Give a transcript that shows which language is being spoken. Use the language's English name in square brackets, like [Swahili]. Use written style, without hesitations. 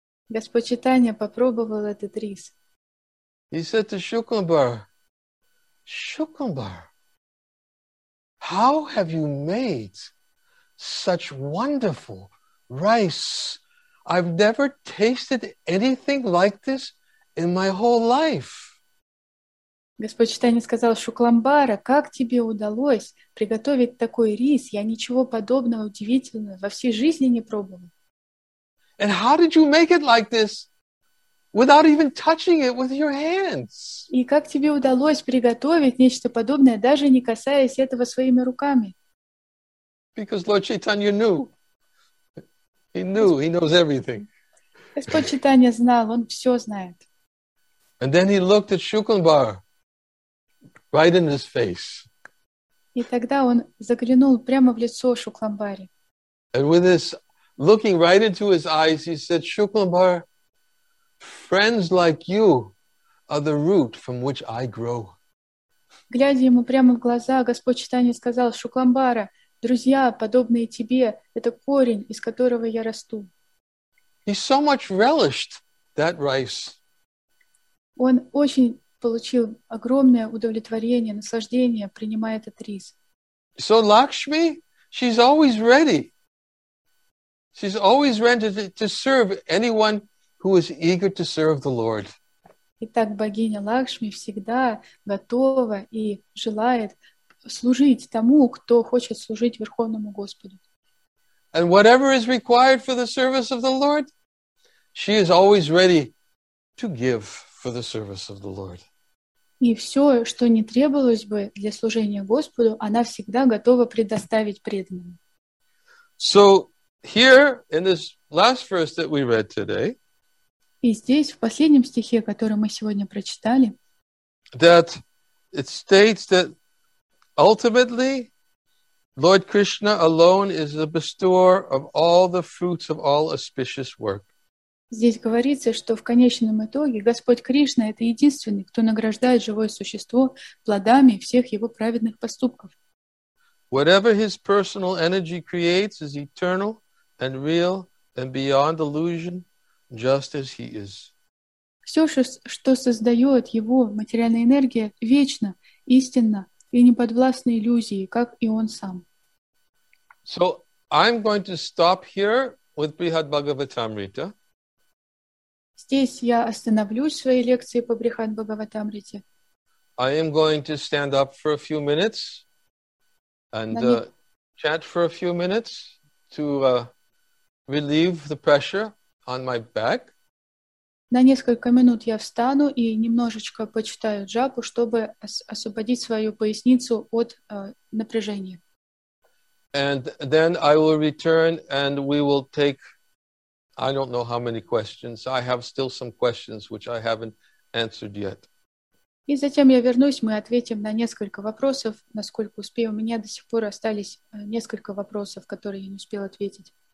[Russian] Господь Чайтанья попробовал этот рис. [English] He said to Shukambara, Shukambara, how have you made such wonderful rice? I've never tasted anything like this in my whole life. [Russian] Господь Чайтанья сказал, Шукламбара, как тебе удалось приготовить такой рис? Я ничего подобного удивительного во всей жизни не пробовал. [English] And how did you make it like this without even touching it with your hands? [Russian] И как тебе удалось приготовить нечто подобное, даже не касаясь этого своими руками? [English] Because Lord Chaitanya knew. He knew, he knows everything. [Russian] Господь Чайтанья знал, он все знает. [English] And then he looked at Шукламбара. Right in his face. [Russian] И тогда он заглянул прямо в лицо Шукламбаре. [English] And with this, looking right into his eyes, he said, Шукламбара, friends like you are the root from which I grow. [Russian] Глядя ему прямо в глаза, Господь Чайтанья сказал, Шукламбара, друзья, подобные тебе, это корень, из которого я расту. [English] He so much relished that rice. [Russian] Он очень получил огромное удовлетворение, наслаждение, принимая этот рис. [English] So Lakshmi, she's always ready. She's always ready to serve anyone who is eager to serve the Lord. [Russian] Итак, богиня Лакшми всегда готова и желает служить тому, кто хочет служить Верховному Господу. [English] And whatever is required for the service of the Lord, she is always ready to give for the service of the Lord. [Russian] И все, что не требовалось бы для служения Господу, она всегда готова предоставить преданным. [English] So here in this last verse that we read today, [Russian] и здесь в последнем стихе, который мы сегодня прочитали, [English] that it states that ultimately Lord Krishna alone is the bestower of all the fruits of all auspicious work. [Russian] Здесь говорится, что в конечном итоге Господь Кришна — это единственный, кто награждает живое существо плодами всех его праведных поступков. [English] Whatever his personal energy creates is eternal and real and beyond illusion, just as he is. [Russian] Все, что создает его материальная энергия, вечно, истинно и не подвластно иллюзии, как и он сам. [English] So I'm going to stop here with Brihad Bhagavatamrita. [Russian] Здесь я остановлюсь в своей лекции по Брихад Бхагаватамрите. [English] I am going to stand up for a few minutes and chant for a few minutes to relieve the pressure on my back. [Russian] На несколько минут я встану и немножечко почитаю джапу, чтобы освободить свою поясницу от напряжения. [English] And then I will return and we will take I don't know how many questions. I have still some questions which I haven't answered yet. [Russian] И затем я вернусь, мы ответим на несколько вопросов, насколько успею. У меня до сих пор остались несколько вопросов, которые я не успел ответить.